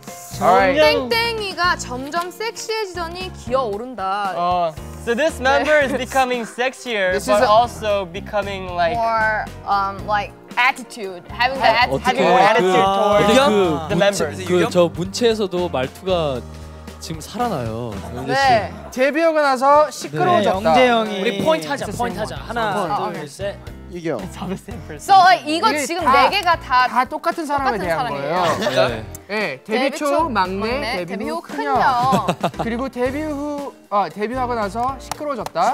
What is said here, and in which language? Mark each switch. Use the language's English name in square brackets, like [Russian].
[Korean] 땡땡이가 점점 섹시해지더니 기어오른다 [English] So this member is becoming sexier, but also becoming like more like attitude, having the attitude towards the members [Korean] 저 문체에서도 말투가 지금 살아나요. 네. 데뷔하고 나서 시끄러워졌다. 네, 영재 우리 포인트 하자. 하나, 둘, 셋. 이겨. [English] It's all the same person. So [Korean] 이거 지금 네 개가 다 똑같은 사람에 대한 거예요. 네. 데뷔 초 막내, 데뷔 후 큰형. 그리고 데뷔 후 데뷔하고 나서 시끄러워졌다.